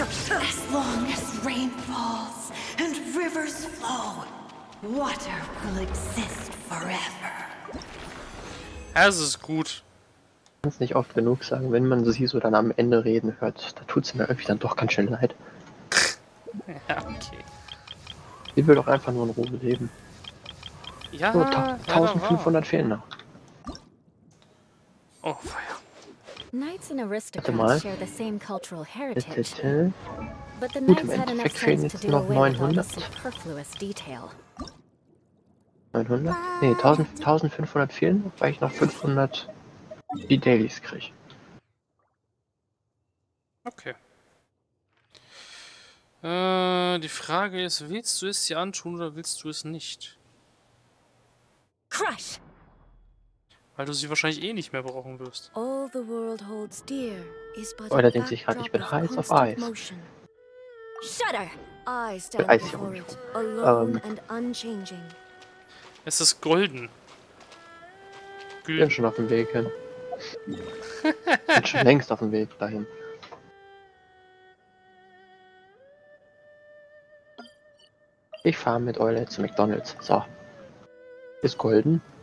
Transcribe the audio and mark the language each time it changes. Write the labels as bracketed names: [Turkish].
[English] As long as rain falls and rivers flow, water will exist forever. [German] Es ist gut. Ich kann es nicht oft genug sagen, wenn man sie so dann am Ende reden hört, da tut sie mir irgendwie dann doch ganz schön leid. Ja, okay. Sie will doch einfach nur in Ruhe leben. Ja, so, 1500 fehlen noch. Oh, Feuer. [English] Knights and aristocrats share the same cultural heritage. But the knights had enough sense to deal with all the superfluous detail. [German] 900? Nee, 1500 fehlen, weil ich noch 500 die Dailies kriege. Okay. Die Frage ist, willst du es dir antun oder willst du es nicht? [English] Crush! [German] Weil du sie wahrscheinlich eh nicht mehr brauchen wirst. [English] All the world holds dear is but [German] oder denkt sich gerade, ich bin heiß auf Eis. [English] Shudder! I stand before it, alone and unchanging. [German] Es ist golden. Ich bin schon auf dem Weg hin. Ich bin schon längst auf dem Weg dahin. Ich fahre mit Eule zu McDonald's. So. Ist golden.